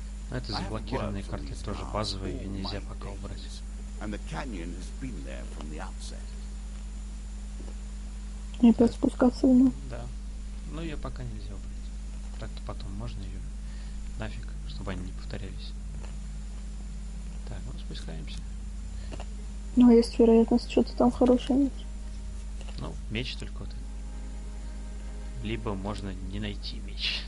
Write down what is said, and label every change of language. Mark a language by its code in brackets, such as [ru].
[ru] Но это заблокированные карты, тоже базовые, и нельзя пока убрать. [en] And the canyon has been there from the outset. [ru] И опять спускаться ему? Да. Но ее пока нельзя убрать. Так-то потом можно ее нафиг, чтобы они не повторялись. Так, ну спускаемся. Ну, есть вероятность, что-то там хорошее нет. Ну, меч только вот. Либо можно не найти меч.